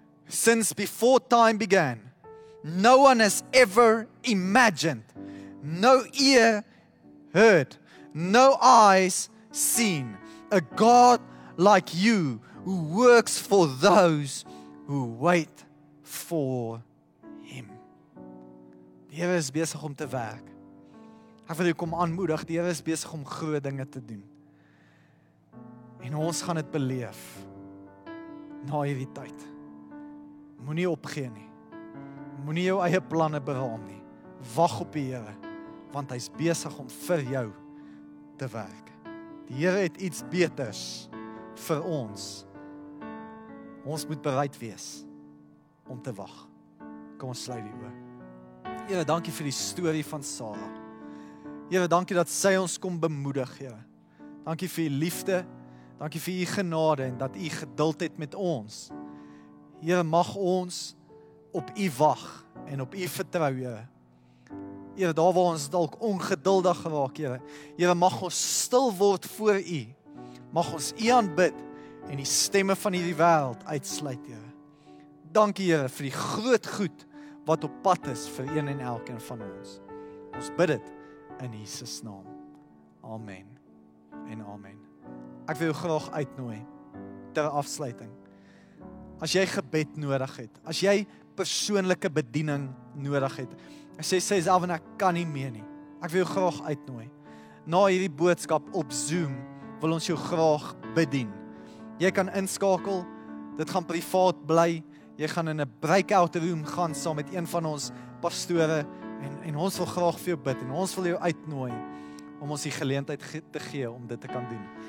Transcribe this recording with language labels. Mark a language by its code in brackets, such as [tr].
[en] Since before time began, no one has ever imagined, no ear heard, no eyes seen, a God like you who works for those who wait for him. [af] Die Here is besig om te werk. Ek wil jou kom aanmoedig, die Here is besig om groot dinge te doen. En ons gaan dit beleef na hierdie tyd. Moenie opgee nie. Moenie jou eie planne beraam nie. Wag op die Here, want hy is besig om vir jou te werk. Die Here het iets beters vir ons. Ons moet bereid wees om te wag. Kom ons sluit die oor. Here, dankie vir die storie van Sara. Here, dankie dat sy ons kom bemoedig, Here. Dankie vir die liefde, dankie vir die genade en dat u geduld het met ons. Here, mag ons op u wag en op u vertrou, Here. Here, daar waar ons dalk ongeduldig geraak, Here. Here, mag ons stil word voor u. Mag ons u aanbid en die stemme van hierdie wêreld uitsluit, Here. Dankie, Here, vir die groot goed wat op pad is vir een en elkeen van ons. Ons bid dit in Jesus naam. Amen en amen. Ek wil jou graag uitnooi ter afsluiting. As jy gebed nodig het, as jy persoonlike bediening nodig het, en sê self, en ek kan nie meer nie, ek wil jou graag uitnooi. Na hierdie boodskap op Zoom, wil ons jou graag bedien. Jy kan inskakel, dit gaan privaat bly, jy gaan in 'n breakout room gaan, saam met een van ons pastore, en ons wil graag vir jou bid, en ons wil jou uitnooi, om ons die geleentheid te gee, om dit te kan doen.